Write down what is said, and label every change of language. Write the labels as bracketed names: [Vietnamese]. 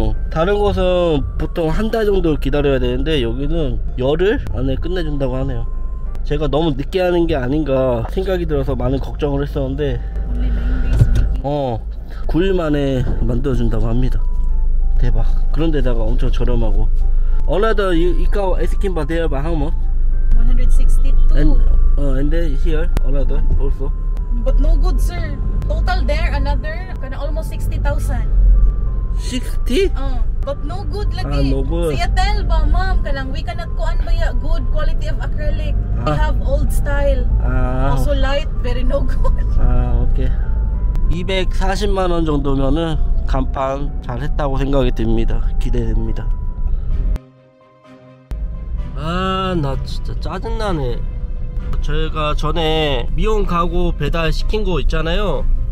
[Korean] 다른 곳은 보통 한 달 정도 기다려야 되는데 여기는 열흘 안에 끝내 준다고 하네요. 제가 너무 늦게 하는 게 아닌가 생각이 들어서 많은 걱정을 했었는데 9일 만에 만들어준다고 합니다. 대박. 그런데다가 엄청 저렴하고. [English] Another, you got asking about there, about how much? 162. And here, another, also. But no good, sir. Total there, another, almost 60,000. 60? But no good lagi. Ah, no good. [Cebuano] Siya [English] tell [Cebuano] ba, [English] ma'am, [Cebuano] kanang [English] we cannot [Cebuano] kuan ba ya [English] good quality of acrylic. We have old style. Also light, very no good. Ah, okay. [Korean] 240만 원 정도면은 간판 잘 했다고 생각이 듭니다. 기대됩니다. 아, 나 진짜 짜증나네. 저희가 전에 미용 가구 배달 시킨 거 있잖아요.